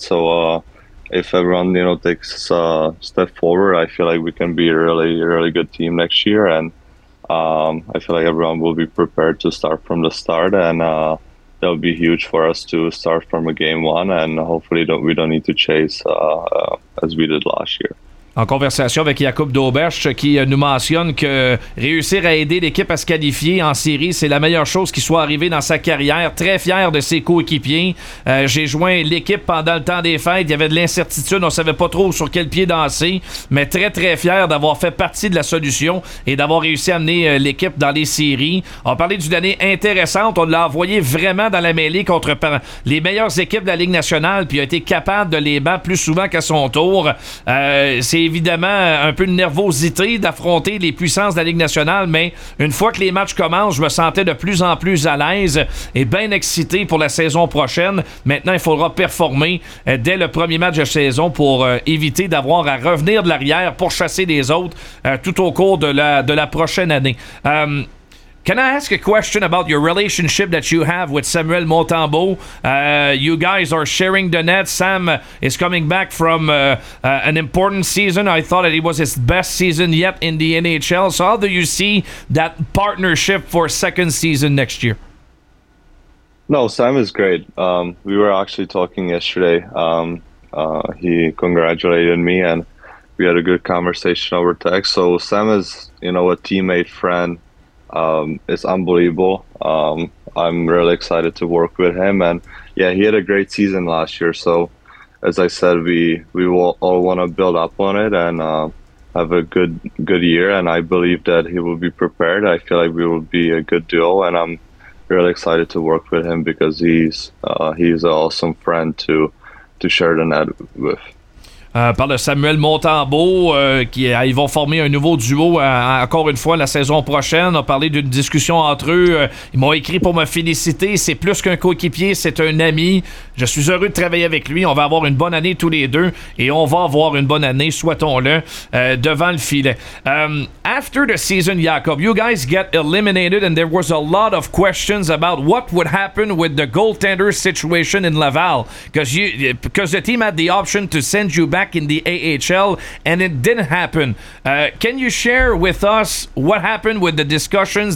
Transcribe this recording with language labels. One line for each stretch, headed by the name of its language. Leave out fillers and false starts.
English: So if everyone, you know, takes a step forward, I feel like we can be a really, really good team next year. And I feel like everyone will be prepared to start from the start. And that would be huge for us to start from a game one. And hopefully we don't need to chase as we did last year.
French: En conversation avec Jakub Dobesch, qui nous mentionne que réussir à aider l'équipe à se qualifier en série, c'est la meilleure chose qui soit arrivée dans sa carrière. Très fier de ses coéquipiers. J'ai joint l'équipe pendant le temps des fêtes. Il y avait de l'incertitude. On ne savait pas trop sur quel pied danser. Mais très, très fier d'avoir fait partie de la solution et d'avoir réussi à amener l'équipe dans les séries. On a parlé d'une année intéressante. On l'a envoyé vraiment dans la mêlée contre les meilleures équipes de la Ligue nationale, puis a été capable de les battre plus souvent qu'à son tour. C'est évidemment un peu de nervosité d'affronter les puissances de la Ligue nationale, mais une fois que les matchs commencent, je me sentais de plus en plus à l'aise et bien excité pour la saison prochaine. Maintenant, il faudra performer dès le premier match de saison pour éviter d'avoir à revenir de l'arrière pour chasser les autres tout au cours de la prochaine année.
English: Can I ask a question about your relationship that you have with Samuel Montembeau? You guys are sharing the net. Sam is coming back from an important season. I thought that it was his best season yet in the NHL. So how do you see that partnership for second season next year? No, Sam is great. We were actually talking yesterday. He congratulated me and we had a good conversation over text. So Sam is, you know, a teammate, friend. It's unbelievable. I'm really excited to work with him. And yeah, he had a great season last year. So as I said, we will all want to build up on it and have a good year. And I believe that he will be prepared. I feel like we will be a good duo. And I'm really excited to work with him because he's an awesome friend to share the net with.
French: Parle de Samuel Montembeau, ils vont former un nouveau duo encore une fois la saison prochaine. On a parlé d'une discussion entre eux. Ils m'ont écrit pour me féliciter. C'est plus qu'un coéquipier, c'est un ami. Je suis heureux de travailler avec lui. On va avoir une bonne année tous les deux et on va avoir une bonne année, souhaitons-le, devant le filet.
English: After the season, Jakob, you guys get eliminated and there was a lot of questions about what would happen with the goaltender situation in Laval. Because the team had the option to send you back in the AHL and it didn't happen. Can you share with us what happened with the discussions?